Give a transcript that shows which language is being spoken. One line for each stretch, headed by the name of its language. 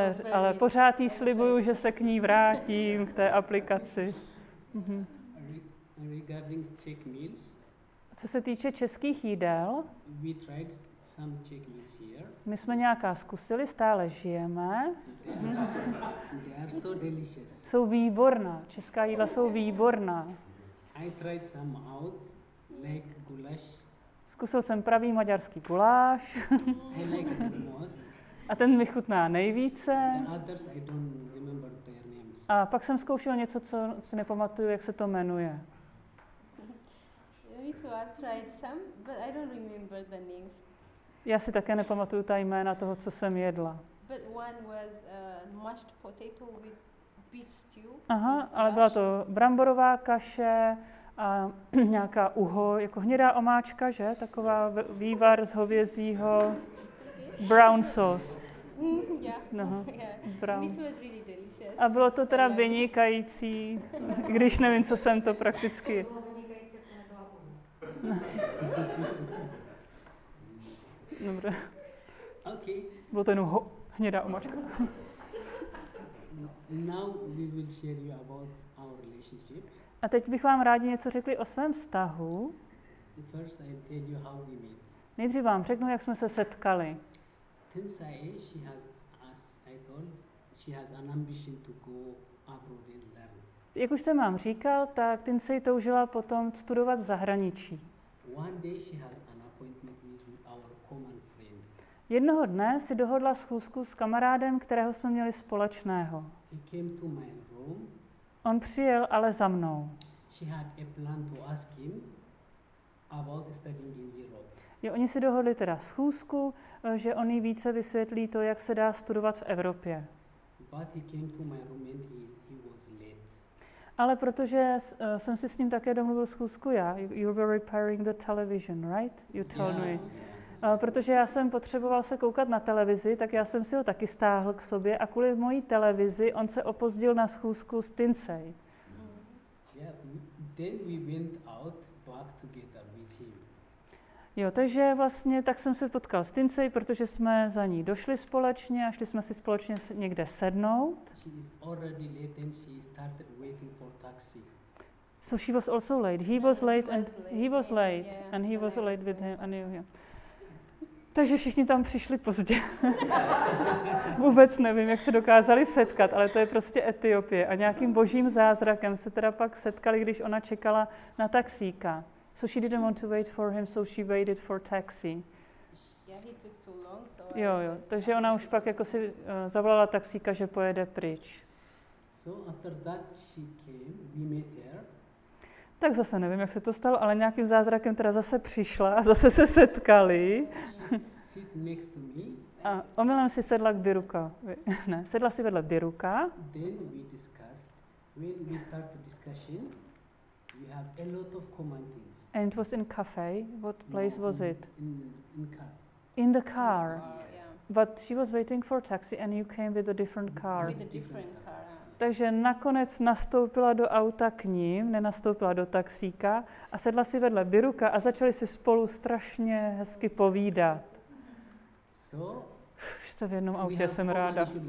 Czech: Ale pořád jí slibuju, že se k ní vrátím, k té aplikaci.
English: Regarding Czech meals.
Czech: Co se týče českých jídel,
English: we tried some Czech meals here.
Czech: My jsme nějaká zkusili, stále žijeme.
English: They are so delicious.
Czech: Jsou výborná, česká jídla jsou výborná.
English: I tried some out, like goulash.
Czech: Zkusil jsem pravý maďarský guláš.
English: I like it the most.
Czech: A ten mi chutná nejvíce.
English: The others, I don't remember their names.
Czech: A pak jsem zkoušel něco, co si nepamatuju, jak se to jmenuje.
English: Me too, I've tried some, but I don't remember the names.
Czech: Já si také nepamatuju ta jména toho, co jsem jedla.
English: But one was mashed potato with beef stew.
Czech: Aha, ale byla to bramborová kaše nějaká uho, jako hnědá omáčka, že? Taková vývar z hovězího.
English: Brown sauce. Mm, yeah. Brown. It was really delicious.
Czech: A bylo to teda vynikající, když nevím, co jsem to prakticky. Dobře.
English: Okay.
Czech: Bylo to jenom hnědá omáčka.
English: Now we will share you about our relationship.
Czech: A teď bych vám rádi něco řekli o svém vztahu.
English: First I'll tell you how we meet.
Czech: Nejdřív vám řeknu, jak jsme se setkali.
English: Tensai, she has, as I told, she has an ambition to go abroad and learn.
Czech: Jak už jsem vám říkal, tak Tensai toužila potom studovat v zahraničí.
English: One day she has an appointment with our common friend.
Czech: Jednoho dne si dohodla schůzku s kamarádem, kterého jsme měli společného.
English: He came to my room.
Czech: On přijel ale za mnou.
English: She had a plan to ask him about studying in Europe.
Czech: Jo, oni si dohodli teda schůzku, že on jí více vysvětlí to, jak se dá studovat v Evropě.
English: But he came to my room and he was late.
Czech: Ale protože jsem si s ním také domluvil schůzku já.
English: You were repairing the television, right? You told yeah, me. Yeah.
Czech: Protože já jsem potřeboval se koukat na televizi, tak já jsem si ho taky stáhl k sobě a kvůli mojí televizi on se opozdil na schůzku s Tensai.
English: Yeah, then we went out back together.
Czech: Jo, takže vlastně tak jsem se potkal s Tensai, protože jsme za ní došli společně a šli jsme si společně někde sednout.
English: She is already late and she started waiting for taxi. So she was also late. He was late and he was late and he was late with him and you. Takže všichni tam přišli pozdě. Vůbec nevím, jak se dokázali setkat, ale to je prostě Etiopie a nějakým božím zázrakem se teda pak setkali, když ona čekala na taxíka. So she didn't want to wait for him, so she waited for taxi. Yeah, he took too long, so
Czech: jo, jo, takže ona už pak jako si zavolala taxíka, že pojede pryč.
English: So after that she came, we met her.
Czech: Tak zase nevím, jak se to stalo, ale nějakým zázrakem teda zase přišla a zase se setkali.
English: Sit next to me.
Czech: A omylem si sedla k Biruka. Ne, sedla si vedle Biruka.
English: Then we discussed, when we start the discussion, we have a lot of common things. And it was in cafe. What place no, was it? In car. In the car. Yeah. Yeah. But she was waiting for taxi and you came with a different car. With a different car. Yeah.
Czech: Takže nakonec nastoupila do auta k ním, nenastoupila do taxíka a sedla si vedle Biruka a začali si spolu strašně hezky povídat.
English: So?
Czech: Už jste v jednom autě, jsem ráda.